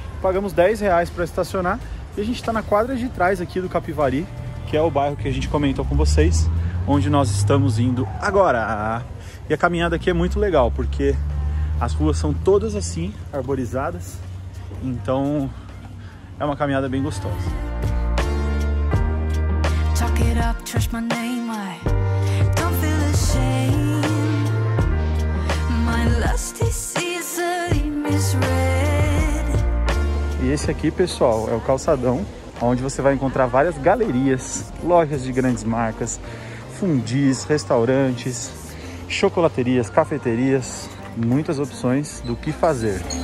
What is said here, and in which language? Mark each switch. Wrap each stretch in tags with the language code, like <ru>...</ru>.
<pt>Pagamos R$10 para estacionar e a gente está na quadra de trás aqui do Capivari, que é o bairro que a gente comentou com vocês, onde nós estamos indo agora. E a caminhada aqui é muito legal, porque as ruas são todas assim, arborizadas, então é uma caminhada bem gostosa.</pt> <en>Talk it up, trust my name, I don't feel ashamed. My lust is easily misread.</en> <pt>E esse aqui, pessoal, é o calçadão, onde você vai encontrar várias galerias, lojas de grandes marcas, fundis, restaurantes, chocolaterias, cafeterias, muitas opções do que fazer.</pt>